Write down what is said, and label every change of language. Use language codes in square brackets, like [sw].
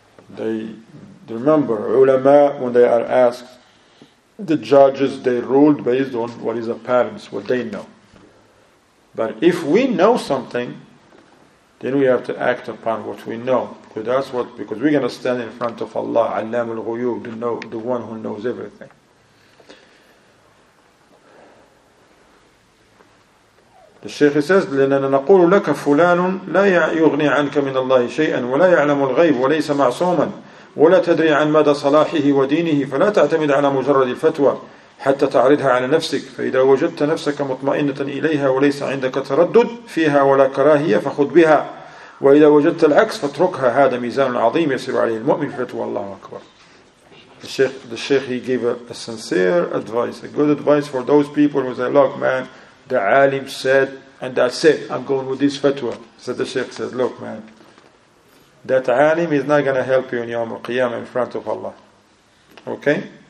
[en] They remember, ulama, when they are asked, the judges, they ruled based on what is apparent, what they know. But if we know something, then we have to act upon what we know. Because we're going to stand in front of Allah, Allam al-Ghuyub, the one who knows everything. The Shaykh says, [ar] لَنَا نَقُولُ لَكَ فُلَانٌ لَا يُغْنِي عَنْكَ مِنَ اللَّهِ شَيْئًا وَلَا يَعْلَمُ الْغَيْبُ وَلَيْسَ مَعْصُومًا وَلَا تَدْرِي عَنْ مَدَى صَلَاحِهِ وَدِينِهِ فَلَا تَعْتَمِدْ عَلَى مُجَرَّدِ الْفَتْوَى حتى تعرضها على نفسك فإذا وجدت نفسك مطمئنة إليها وليس عندك تردد فيها ولا كراهية فخذ بها وإذا وجدت العكس فاتركها هذا ميزان عظيم يسير عليه المؤمن فتوى الله أكبر. [en] The Sheikh he gave a sincere advice, a good advice for those people who say, look man, the alim said and that's it, I'm going with this fatwa. So the Sheikh said, look man, that alim is not going to help you in Yawm al-Qiyamah in front of Allah. Okay?